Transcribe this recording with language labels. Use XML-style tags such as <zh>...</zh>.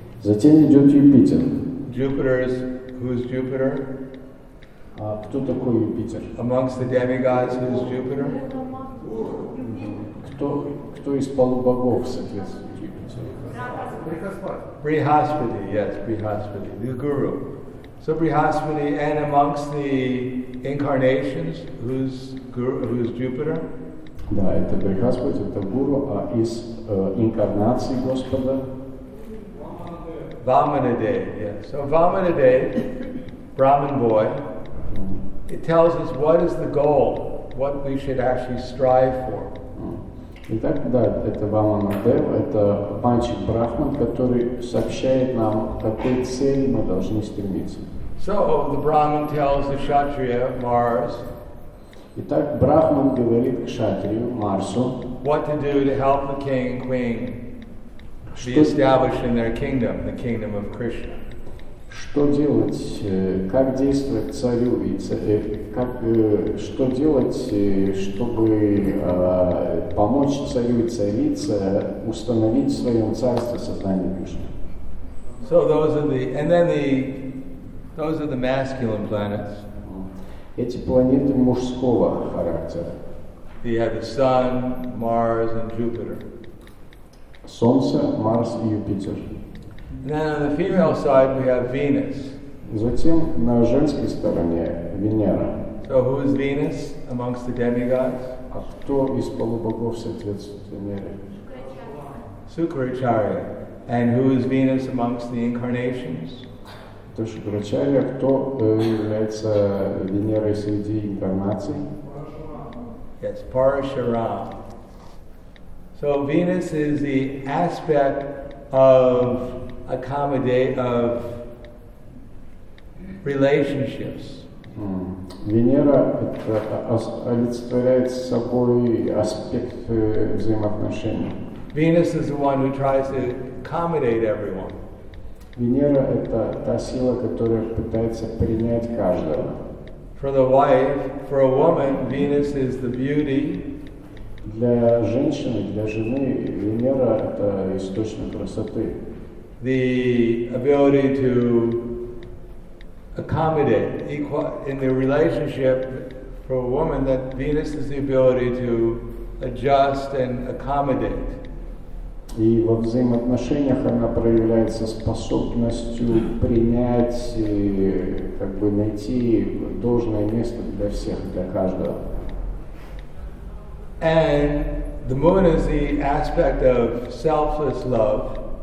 <ru>Затем идет Юпитер.</ru> <en>Jupiter is, who is Jupiter?</en> <ru>А кто такой Юпитер?</ru> <en>Amongst the demigods, who is Jupiter?</en> <ru>Кто из полубогов соответствует Юпитеру?</ru> <en>Брихаспати, yes, Брихаспати, the guru. So Brihaspati, and amongst the incarnations, who's guru, who's Jupiter?</en> <ru>Да, это Брихаспати, это гуру, а из инкарнаций Господа?</ru> <en>Vamanadev, yes. So Vamanadev, Brahmin boy, it tells us what is the goal, what we should actually strive for.</en> <ru>Итак, да, это Ваманадева, это мальчик Брахман, который сообщает нам, к какой цели мы должны стремиться.</ru> <en>So the Brahman tells the Kshatriya, Mars.</en> <ru>Итак, Брахман говорит Кшатрию, Марсу.</ru> <en>What to do to help the king and queen be established in their kingdom, the kingdom of Krishna.</en> <ru>Что делать, как действовать царю и что делать, чтобы помочь царю и царице установить в своем царстве сознание Кришны.</ru> <en>So those are the, and then the, those are the masculine planets.</en> <ru>Эти планеты мужского характера.</ru> <en>You have the Sun, Mars, and Jupiter.</en> <ru>Солнце, Марс и Юпитер.</ru> <en>Then on the female side we have Venus.</en> <ru>Затем на женской стороне Венера.</ru> <en>So who is Venus amongst the demigods?</en> <ru>А кто из полубогов соответствует Венере?</ru> <en>Sukracharya. And who is Venus amongst the incarnations?</en> <ru>То есть Sukracharya, кто является Венерой среди инкарнаций?</ru> <en>Yes, Parashuram. So Venus is the aspect of of relationships.</en> <ru>Венера олицетворяет собой аспект взаимоотношений.</ru> <en>Venus is the one who tries to accommodate everyone.</en> <ru>Венера это та сила, которая пытается принять каждого.</ru> <en>For the wife, for a woman, Venus is the beauty.</en> <ru>Для женщины, для жены, Венера это источник красоты.</ru> <en>The ability to accommodate in the relationship for a woman, that Venus is the ability to adjust and accommodate.</en> <ru>И во взаимоотношениях она проявляется способностью принять и как бы найти должное место для всех, для каждого.</ru> <en>And the moon is the aspect of selfless love.</en>